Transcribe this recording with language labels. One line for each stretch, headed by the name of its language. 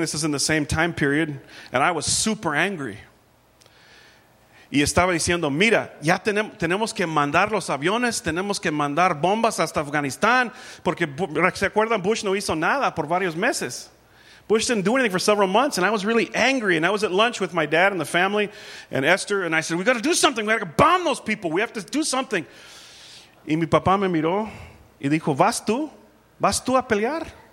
English: This is in the same time period, and I was super angry.
Spanish: Y estaba diciendo, mira, ya tenemos que mandar los aviones, tenemos que mandar bombas hasta Afganistán, porque, ¿se acuerdan? Bush no hizo nada por varios meses.
English: Bush didn't do anything for several months, and I was really angry, and I was at lunch with my dad and the family and Esther, and I said, we got to do something. We got to bomb those people. We have to do something.
Spanish: Y mi papá me miró y dijo, ¿vas tú? ¿Vas tú a pelear?